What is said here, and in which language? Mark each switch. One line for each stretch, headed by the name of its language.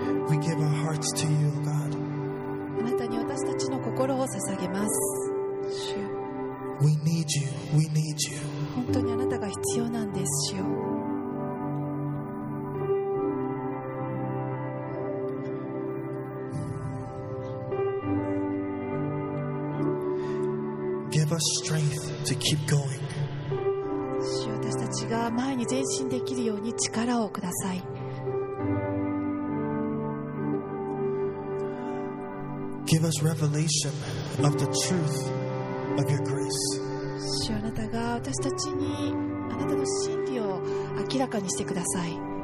English: We give our hearts to you, O God.
Japanese: あなたに私たちの心を捧げます。主よ。
English: We need you. We need you.
Japanese: 本当にあなたが必要なんです、主よ。
English: Strength to keep going.
Japanese: 主よ、私たちが前に前進できるように力をください。
English: Give us revelation of the truth of your grace.
Japanese: 主よ、あなたが私たちにあなたの真理を明らかにしてください。